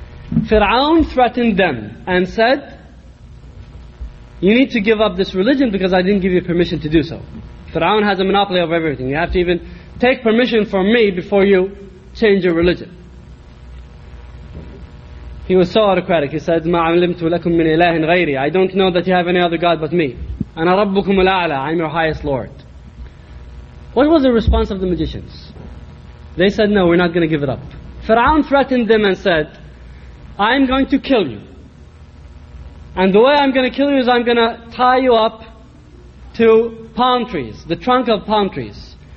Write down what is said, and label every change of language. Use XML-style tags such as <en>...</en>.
<en>Fir'aun threatened them and said, you need to give up this religion because I didn't give you permission to do so. Pharaoh has a monopoly over everything. You have to even take permission from me before you change your religion. He was so autocratic. He said,</en> <ar>مَا عَلِمْتُ لَكُم مِّنْ إِلَهٍ غَيْرِي.</ar> <en>I don't know that you have any other God but me.</en> <ar>أَنَا رَبُّكُمُ الْأَعْلَى.</ar> <en>I'm your highest Lord. What was the response of the magicians? They said, no, we're not going to give it up. Pharaoh threatened them and said, I'm going to kill you. And the way I'm going to kill you is I'm going to tie you up to palm trees, the trunk of palm trees.</en>